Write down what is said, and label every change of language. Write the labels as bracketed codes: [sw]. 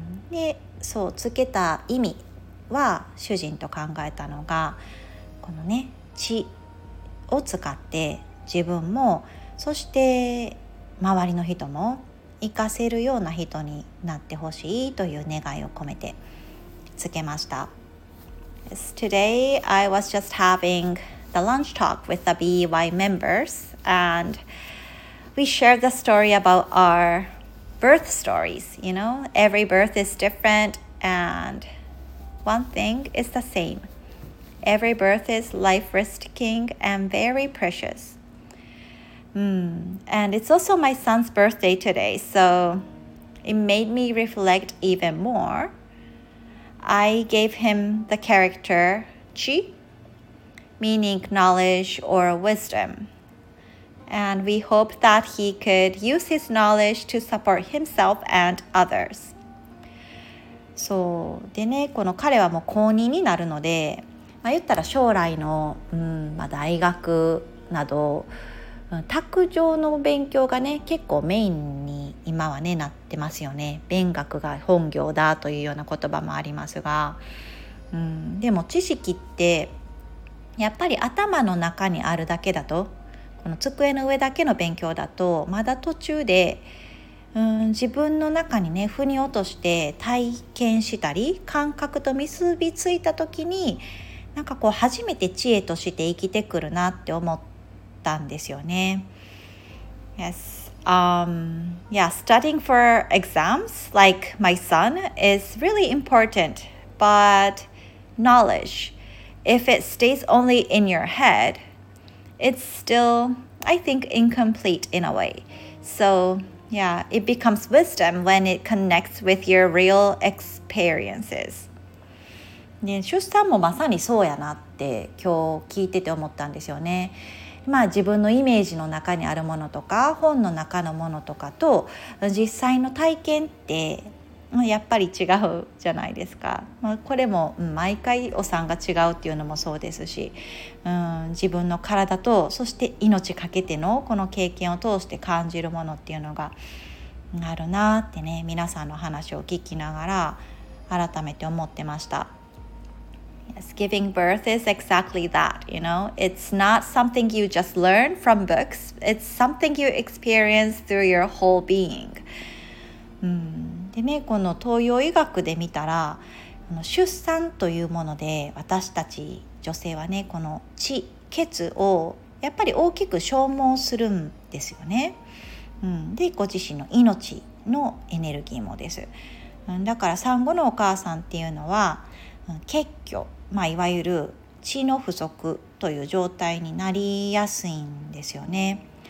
[ja] で、そう、つけた意味は主人と考えたのが、このね、知を使って自分もそして周りの人も生かせるような人になってほしいという願いを込めてつけました。 [en] Yes, today I was just having the lunch talk with the BEY members, and we shared the story about our birth stories. You know, every birth is different, and one thing is the same. Every birth is life-risking and very precious. And it's also my son's birthday today, so it made me reflect even more. I gave him the character Chi, meaning knowledge or wisdom. And we hope that he could use his knowledge to support himself and others. [ja] そうでね、この彼はもう高2になるので、まあ、言ったら将来の、大学など卓上の勉強がね、結構メインに今はね、なってますよね。勉学が本業だというような言葉もありますが、でも知識ってやっぱり頭の中にあるだけだと、この机の上だけの勉強だと、まだ途中で、自分の中にね、腑に落として体験したり感覚と結びついた時に、なんかこう初めて知恵として生きてくるなって思って [en] Yes. Studying for exams, like my son, is really important. But knowledge, if it stays only in your head, it's still, I think, incomplete in a way. So, yeah, it becomes wisdom when it connects with your real experiences. [ja] ね、出産もまさにそうやなって今日聞いてて思ったんですよね。まあ、自分のイメージの中にあるものとか本の中のものとかと実際の体験ってやっぱり違うじゃないですか、これも毎回お産が違うっていうのもそうですし、自分の体とそして命かけてのこの経験を通して感じるものっていうのがあるなってね、皆さんの話を聞きながら改めて思ってました。 [en] Yes, giving birth is exactly that, you know. It's not something you just learn from books. It's something you experience through your whole being. [ja] でね、この東洋医学で見たら、この出産というもので、私たち女性はね、この血、血をやっぱり大きく消耗するんですよね。で、ご自身の命のエネルギーもです。だから産後のお母さんっていうのは、血虚、いわゆる血の不足という状態になりやすいんですよね。